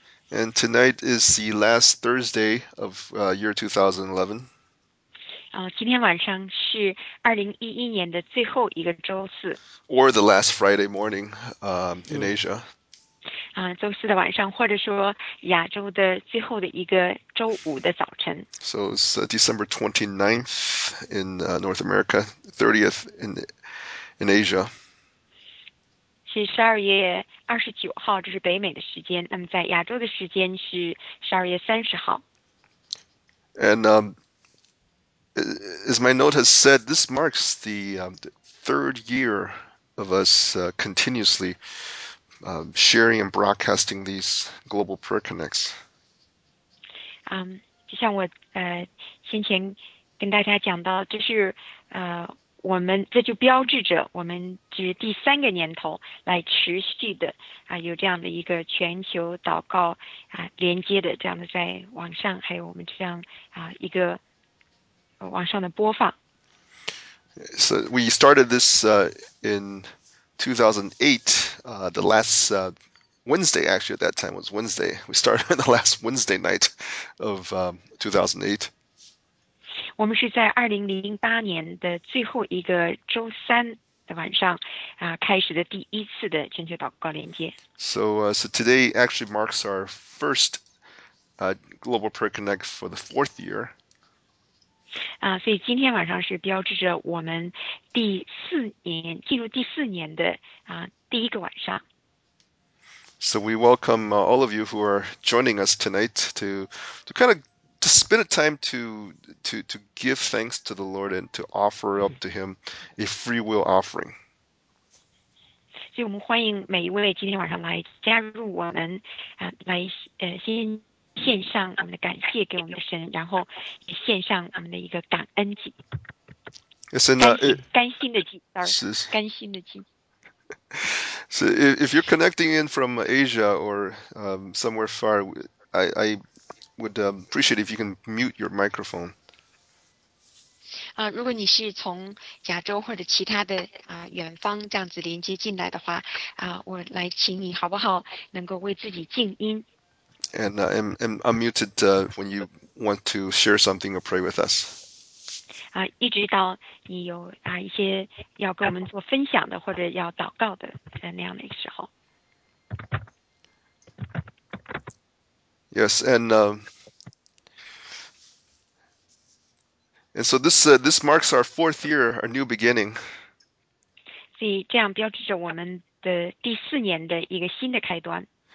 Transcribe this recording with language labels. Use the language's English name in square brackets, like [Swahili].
[English] And tonight is the last Thursday of year 2011. [Chinese] 今天晚上是2011年的最后一个周四。 [English] Or the last Friday morning in [Chinese] 是。 [English] Asia. [Chinese] 周四的晚上，或者说亚洲的最后的一个周五的早晨。 [English] So it's December 29th in North America, 30th in Asia. [Chinese] 是12月29号，这是北美的时间。那么在亚洲的时间是12月30号。 [English] And as my note has said, this marks the third year of us continuously sharing and broadcasting these global prayer connects. [Chinese] 就像我先前跟大家讲到，这是我们这就标志着我们这第三个年头来持续的有这样的一个全球祷告连接的这样的在网上还有我们这样一个网上的播放。 [English] So we started this in 2008, the last Wednesday, actually, at that time was Wednesday. We started on the last Wednesday night of 2008. [Chinese] 我们是在2008年的最后一个周三的晚上开始的第一次的全球祷告连接。 [English] So, so today actually marks our first Global Prayer Connect for the fourth year. [Chinese] 所以今天晚上是标志着我们第四年进入第四年的第一个晚上。 [English] So we welcome all of you who are joining us tonight to kind of to spend a time to give thanks to the Lord and to offer up to Him a free will offering. [Chinese] 所以我们欢迎每一位今天晚上来加入我们来先献上我们的感谢给我们的神，然后献上我们的一个感恩祭。 [English] It's an [Chinese] 甘心的祭，sorry，甘心的祭。 [English] So if you're connecting in from Asia or somewhere far, I would appreciate if you can mute your microphone. [Chinese] 如果你是从亚洲或者其他的远方这样子连接进来的话，我来请你好不好？能够为自己静音。 [English] And I'm unmuted when you want to share something or pray with us. [Chinese] 一直到你有一些要跟我们做分享的或者要祷告的那样的时候。 [English] Yes, and so this this marks our fourth year, our new beginning. [Chinese] 所以这样标志着我们的第四年的一个新的开端。